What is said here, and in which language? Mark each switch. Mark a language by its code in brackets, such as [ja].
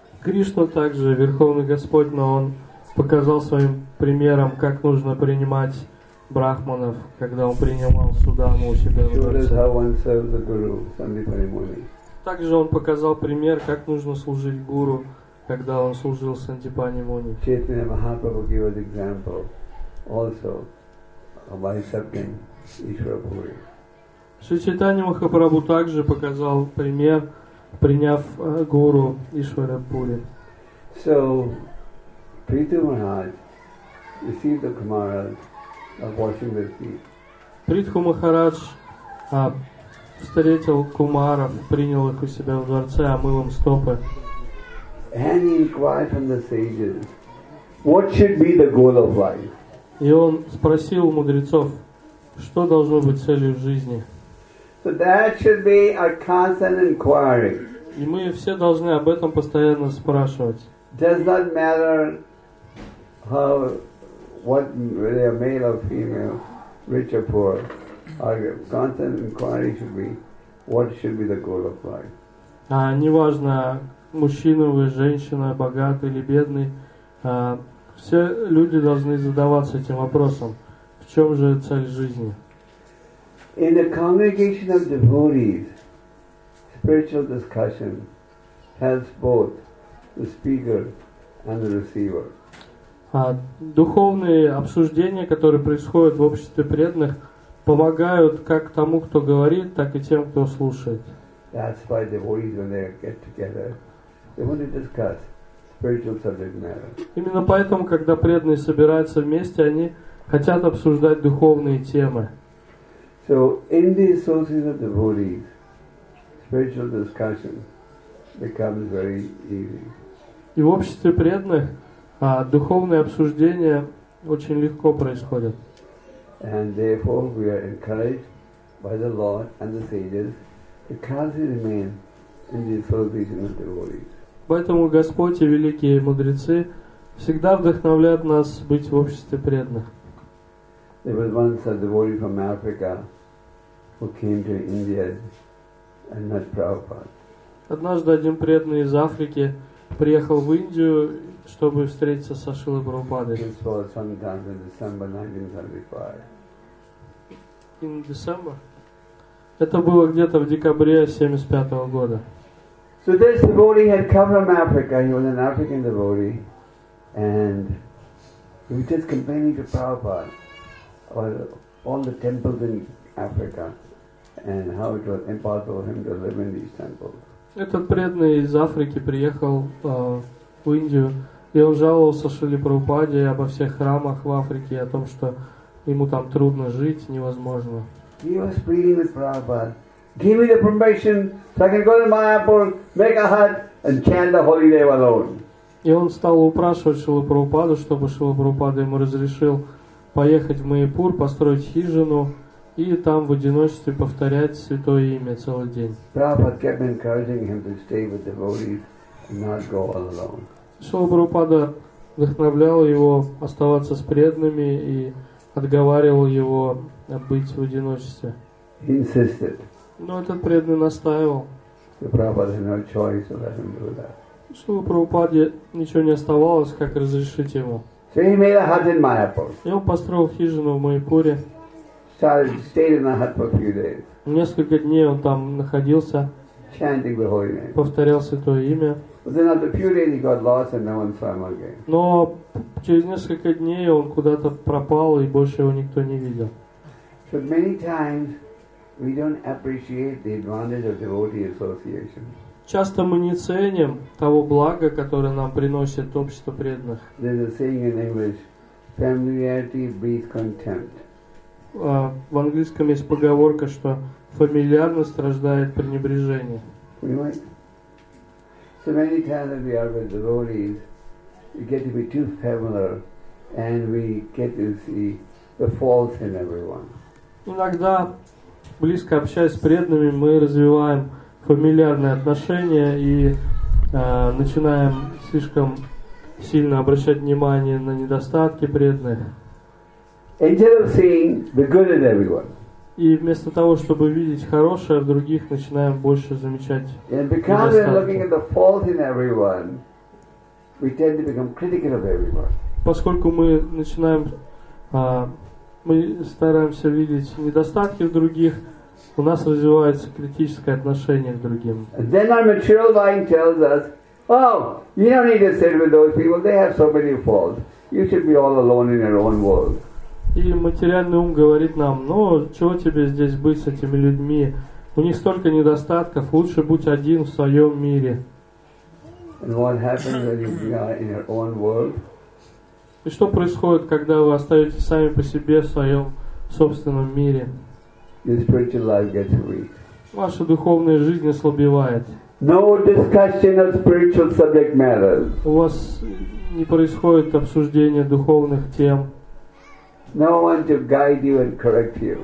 [ru] Кришна также верховный Господь, но он показал своим примером, как нужно принимать брахманов, когда он принимал Судаму у себя в дворце. Также он показал пример, как нужно служить гуру, когда он служил Сандипани Муни. [en] Чайтанья Махапрабху gave an example also by accepting Ишвара Пури. [ru] Шри Чайтанья Махапрабху также показал пример, приняв гуру Ишвара Пури. [en] So, Prithu Maharaj received the Kumaras of washing their feet. [ru] Prithu Maharaj встретил Кумаров, принял их у себя в дворце, омыл им стопы. [en] And he inquired from the sages, what should be the goal of life? [ru] И он спросил у мудрецов, что должно быть целью жизни. [en] So that should be a constant inquiry. [ru] И мы все должны об этом постоянно спрашивать. [en] Does not matter how, what they are male or female, rich or poor. Our constant inquiry should be, what should be the goal of life? [ru] Неважно, мужчина вы, женщина, богатый или бедный, все люди должны задаваться этим вопросом, в чем же цель жизни? [en] In a congregation of devotees, spiritual discussion helps both the speaker and the receiver. [ru] Духовные обсуждения, которые происходят в обществе преданных, помогают как тому, кто говорит, так и тем, кто слушает. [en] That's why devotees, when they get together, they want to discuss spiritual subject matter. [ru] Именно поэтому, когда преданные собираются вместе, они хотят обсуждать духовные темы. [en] So in the associations of devotees, spiritual discussion becomes very easy. [ru] И в обществе преданных духовные обсуждения очень легко происходят. [en] And therefore, we are encouraged by the Lord and the sages to constantly remain in the association of devotees. [ru] Поэтому Господь и великие мудрецы всегда вдохновляет нас быть в обществе преданных. [en] There was once a devotee from Africa who came to India and met Prabhupada. [ru] Однажды один преданный из Африки приехал в Индию, чтобы встретиться со Шрилой Прабхупадой. [en] This was sometime in December 1975. In December? [ru] Это было где-то в декабре 1975 года. [en] So this devotee had come from Africa. He was an African devotee. And he was just complaining to Prabhupada about all the temples in Africa and how it was impossible for him to live in these temples. [ru] Этот преданный из Африки приехал в Индию, и он жаловался Шриле Прабхупаде обо всех храмах в Африке, о том, что ему там трудно жить, невозможно. [en] He was pleading with Prabhupada, give me the permission so I can go to Mayapur, make a hut and chant the holy name alone. [ru] И он стал упрашивать Шрилу Прабхупаду, чтобы Шрила Прабхупада ему разрешил поехать в Майяпур, построить хижину и там в одиночестве повторять святое имя целый день. [en] Prabhupada kept encouraging him to stay with devotees and not go all alone. [ru] Шрила Прабхупада вдохновлял его оставаться с преданными и отговаривал его быть в одиночестве. [en] He insisted. [ru] Но этот преданный настаивал. [en] So Prabhupada had no choice to let him do that. [ru] Шрила Прабхупаде ничего не оставалось, как разрешить ему. [en] So he made a hut in Mayapur. [ru] И он построил хижину в Майяпуре. [en] Stayed in the hut for a few days. [ru] Несколько дней он там находился. [en] Chanting the holy name. [ru] Повторял святое имя. [en] But then after a few days he got lost and no one saw him again. [ru] Но через несколько дней он куда-то пропал и больше его никто не видел. [en] So many times we don't appreciate the advantage of devotee association. [ru] Часто мы не ценим того блага, которое нам приносит общество преданных. [en] There's a saying in English, familiarity breeds contempt. [ru] В английском есть поговорка, что фамильярность рождает пренебрежение. Понимаете? [en] So many times when we are with devotees, we get to be too familiar and we get to see the faults in everyone. [ru] Иногда, близко общаясь с преданными, мы развиваем фамильярные отношения и начинаем слишком сильно обращать внимание на недостатки преданных. [en] Instead of seeing the good in everyone. [ru] И вместо того, чтобы видеть хорошее в других, начинаем больше замечать недостатки. [en] And because [ru] недостатки. [en] We're looking at the fault in everyone, we tend to become critical of everyone. [ru] Поскольку мы начинаем, мы стараемся видеть недостатки в других, у нас развивается критическое отношение к другим. [en] Then our material mind tells us, oh, you don't need to sit with those people, they have so many faults. You should be all alone in your own world. [ru] И материальный ум говорит нам, ну, чего тебе здесь быть с этими людьми? У них столько недостатков, лучше будь один в своем мире. [en] And what happens when you are in your own world? [ru] И что происходит, когда вы остаетесь сами по себе в своем собственном мире? [en] Your spiritual life gets weak. [ru] Ваша духовная жизнь ослабевает. [en] No discussion of spiritual subject matters. [ru] У вас не происходит обсуждения духовных тем. [en] No one to guide you and correct you.